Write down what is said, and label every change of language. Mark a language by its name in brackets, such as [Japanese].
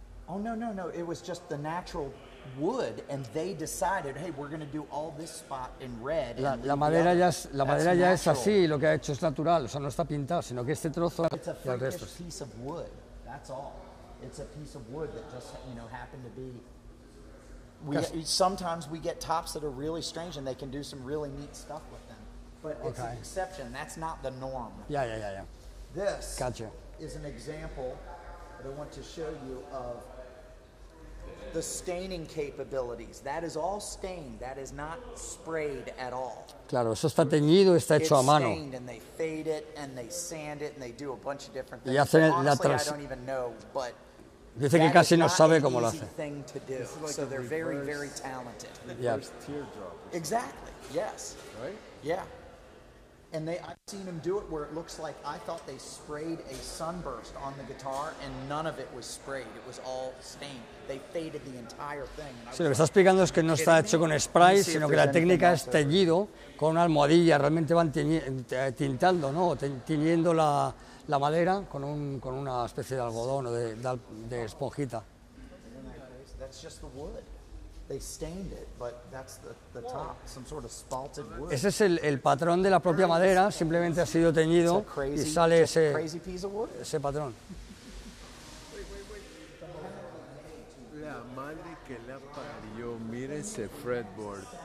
[English] Oh, no, it was just the natural wood, and they decided, hey, we're going to do all this spot in red. [Spanish] La madera ya es así, lo que ha hecho es natural, o sea, no está pintado, sino que este trozo y el resto. [English] It's a piece of wood, that's all. It's a piece of wood that just, you know, happened to be... Sometimes we get tops that are really strange, and they can do some really neat stuff with them. But it's an exception, that's not the norm. Yeah. This is an example... that I want to show you of the staining capabilities. That is all stained. That is not sprayed at all. [Spanish] Claro, eso está teñido, está hecho [English] it's [Spanish] a mano. [English] It's stained and they fade it and they sand it and they do a bunch of different things. Honestly, I don't even know, but [Spanish] dice que casi no sabe cómo lo hace. [English] Thing to do. This is like so they're reverse, very, very talented. Reverse teardrop. Exactly. Yes. Right? Yeah. And I've seen them do it where it looks like I thought they sprayed a sunburst on the guitar and none of it was sprayed. It was all stained. They faded the entire thing. [Spanish] Sí, lo que está explicando es que no está hecho con spray, sino que la técnica es teñido con una almohadilla. Realmente van tintando, ¿no? Tiñendo la madera con una especie de algodón o de esponjita. [English] That's just the wood. They stained it, but that's the top, some sort of spalted wood. [Spanish] Ese es el patrón de la propia madera, simplemente ha sido teñido [English] crazy, [Spanish] y sale ese [English] crazy piece of wood? [Spanish] Ese patrón. La madre que la parió, mira ese fretboard.